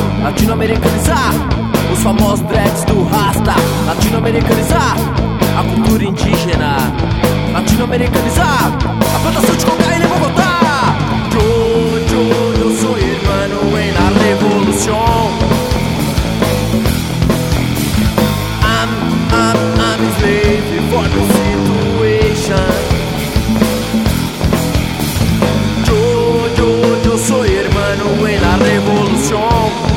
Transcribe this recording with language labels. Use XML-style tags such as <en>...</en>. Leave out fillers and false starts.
<pt>Latino-americanizar os famosos dreads do Rasta. Latino-americanizar a cultura indígena. Latino-americanizar a plantação de cocaína em Bogotá. Jojo, eu sou irmão em la revolução.</pt> <en>I'm slave for the situation.</en> <pt>Jojo, eu sou irmão em la revolução.</pt>